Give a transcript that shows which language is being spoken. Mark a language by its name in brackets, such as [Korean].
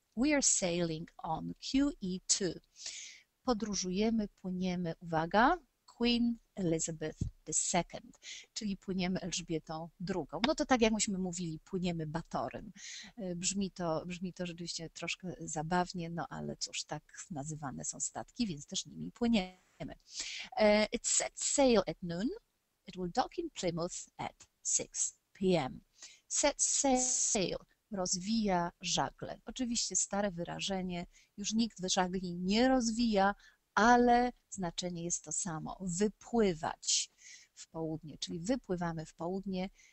[English] We are sailing on QE2. [Polish] Podróżujemy, płyniemy, uwaga, Queen Elizabeth II, czyli płyniemy Elżbietą II. No to tak jakbyśmy mówili, płyniemy Batorem. Brzmi to rzeczywiście troszkę zabawnie, no ale cóż, tak nazywane są statki, więc też nimi płyniemy. [English] It set sail at noon. It will dock in Plymouth at 6 p.m. [Polish] Set sail. Rozwija żagle. Oczywiście stare wyrażenie, już nikt żagli nie rozwija, ale znaczenie jest to samo. Wypływać w południe, czyli wypływamy w południe.